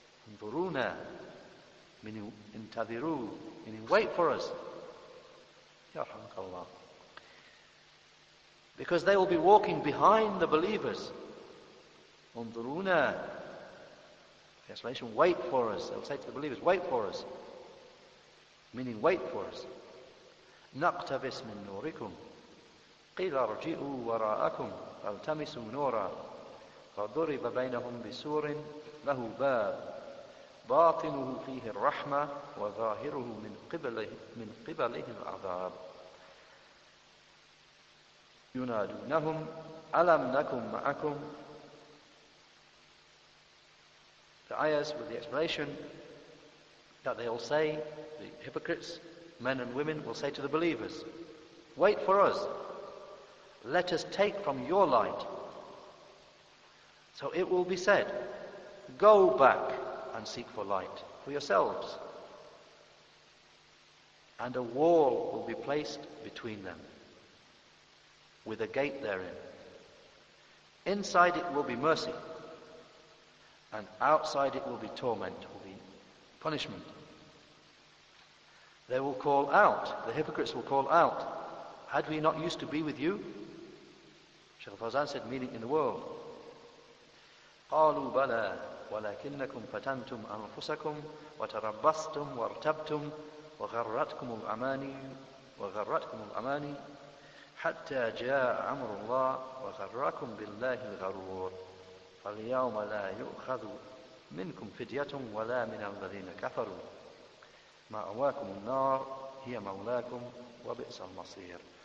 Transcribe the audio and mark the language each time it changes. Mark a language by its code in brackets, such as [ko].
[ar] انظرونا, [en] meaning [ar] انتظروا, [en] meaning wait for us. [ar] يرحمك الله. [en] Because they will be walking behind the believers. [ar] انظرونا. [en] The explanation, wait for us. They'll say to the believers, wait for us. Meaning wait for us. [ar] نقتبس من نوركم قيل ارجعوا وراءكم فالتمسوا نورا فضرب بينهم بسور له باب باطنه فيه الرحمة وظاهره من قبله العذاب ينادونهم ألم نكن معكم. [en] The ayahs with the explanation that they all say, the hypocrites, men and women, will say to the believers, wait for us. Let us take from your light. So it will be said, go back and seek for light for yourselves. And a wall will be placed between them, with a gate therein. Inside it will be mercy, and outside it will be torment, will be punishment. They will call out, the hypocrites will call out, had we not used to be with you? Shaykh Fazan said, meaning in the world. [ar] قالوا بلى ولكنكم فتنتم أنفسكم وتربصتم وارتبتم وغرتكم الأماني وغرتكم الأماني حتى جاء أمر الله وغركم بالله الغرور فاليوم لا يؤخذ منكم فدية ولا من الذين كفروا مأواكم النار هي مولاكم وبئس المصير.